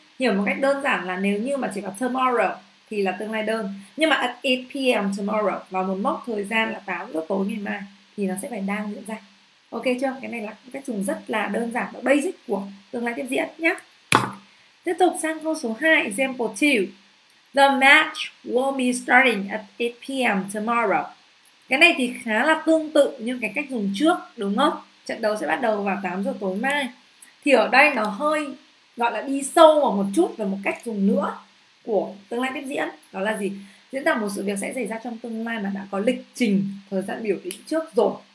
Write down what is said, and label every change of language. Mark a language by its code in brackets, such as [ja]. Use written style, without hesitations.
[vi] Hiểu một cách đơn giản là nếu như mà chỉ có tomorrow thì là tương lai đơn, nhưng mà [en] at 8 p.m. [vi] tomorrow và một mốc thời gian là 8 giờ tối ngày mai thì nó sẽ phải đang diễn ra. Ok chưa? Cái này là cái dùng rất là đơn giản và basic của tương lai tiếp diễn nhé. Tiếp tục sang câu số 2, example 2. [en] The match will be starting at 8 p.m. tomorrow. [vi] Cái này thì khá là tương tự như cái cách dùng trước, đúng không? Trận đấu sẽ bắt đầu vào 8 giờ tối mai. Thì ở đây nó hơi gọi là đi sâu vào một chút về một cách dùng nữa của tương lai tiếp diễn. Đó là gì? Diễn ra một sự việc sẽ xảy ra trong tương lai mà đã có lịch trình, thời gian biểu định trước rồi.